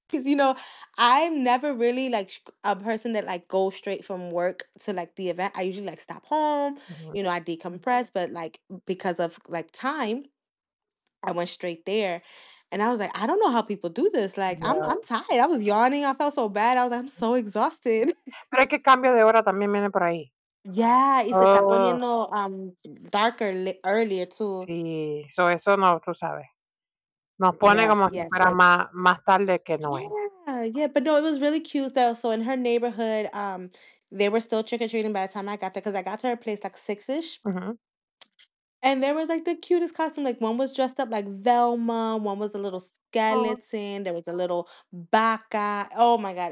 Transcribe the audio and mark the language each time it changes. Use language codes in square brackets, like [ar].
[en] Because, you know, I'm never really, like, a person that, like, goes straight from work to, like, the event. I usually, like, stop home. Mm-hmm. You know, I decompress. But, like, because of, like, time, I went straight there. And I was like, I don't know how people do this. Like, yeah. I'm tired. I was yawning. I felt so bad. I was like, I'm so exhausted. [es] Pero es que cambio de hora también viene por ahí. Yeah, y se está poniendo [en] darker earlier, too. [es] Sí, so eso no, tú sabes. Nos pone como si fuera más tarde que no es. [en] Yeah, but no, it was really cute, though. So in her neighborhood, they were still trick-or-treating by the time I got there, because I got to her place like 6-ish. Mm-hmm. And there was, like, the cutest costume. Like, one was dressed up like Velma. One was a little skeleton. Oh. There was a little baka. Oh, my God.